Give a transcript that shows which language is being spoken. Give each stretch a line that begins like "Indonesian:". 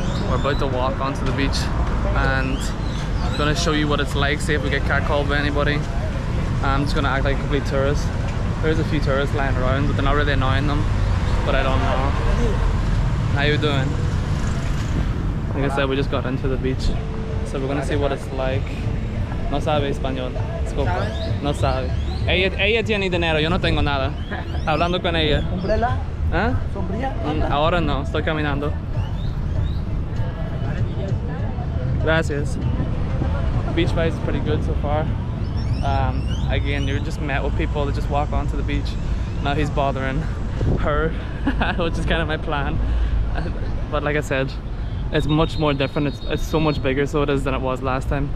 English: We're about to walk onto the beach and I'm gonna show you what it's like, see if we get catcalled by anybody. I'm just gonna act like a complete tourist. There's a few tourists lying around, but they're not really annoying them. But I don't know. How you doing? Like I said, we just got into the beach. So we're gonna see what it's like.
Spanish: No sabe español.
English: Let's go.
Spanish: No sabe. Ella tiene dinero, yo no tengo nada. Hablando con ella.
English: Umbrella? Huh?
Spanish: Sombría? Ahora no, estoy caminando. Gracias.
English: Beach vibe is pretty good so far. Again, you're just met with people that just walk onto the beach. Now he's bothering her, which is kind of my plan. But like I said, it's much more different. It's so much bigger, so it is, than it was last time.